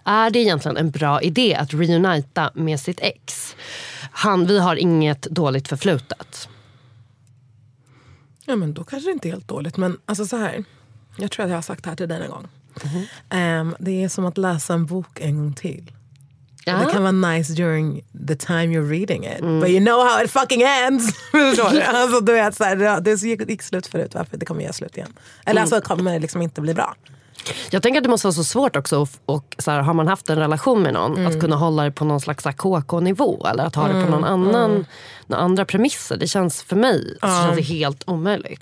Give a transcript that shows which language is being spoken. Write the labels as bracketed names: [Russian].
[Swedish] Är det egentligen en bra idé att reunita med sitt ex? Vi har inget dåligt förflutet. Ja, men då kanske det inte är helt dåligt. Men alltså så här, jag tror att jag har sagt det här till dig en gång. Mm-hmm. Det är som att läsa en bok en gång till. Ja. Det kan vara [English] nice during the time you're reading it. Mm. But you know how it fucking ends. [Swedish] Alltså du vet så här, det gick slut förut, varför det kommer göra slut igen. Eller alltså kommer det liksom inte bli bra. Jag tänker att det måste vara så svårt också, och så här, har man haft en relation med någon, att kunna hålla det på någon slags KK-nivå, eller att ha det på någon annan, några andra premisser. Det känns för mig känns det helt omöjligt.